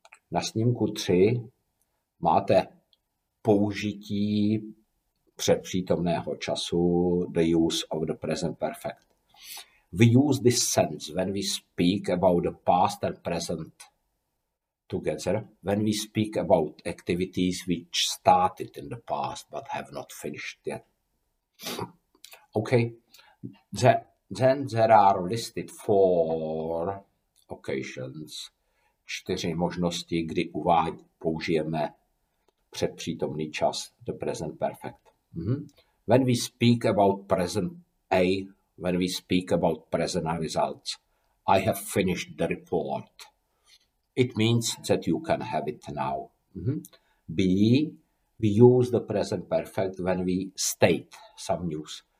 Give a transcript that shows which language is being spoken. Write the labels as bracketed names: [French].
[Czech] Na snímku 3 máte použití předpřítomného času, [English] the use of the present perfect. We use this sense when we speak about the past and present together, when we speak about activities which started in the past but have not finished yet. Okay, then there are listed 4 occasions, [Czech] 4 možnosti, kdy použijeme předpřítomný čas, [English] the present perfect. Mm-hmm. When we speak about present A, when we speak about present results, I have finished the report. It means that you can have it now. Mm-hmm. B, we use the present perfect when we state some news.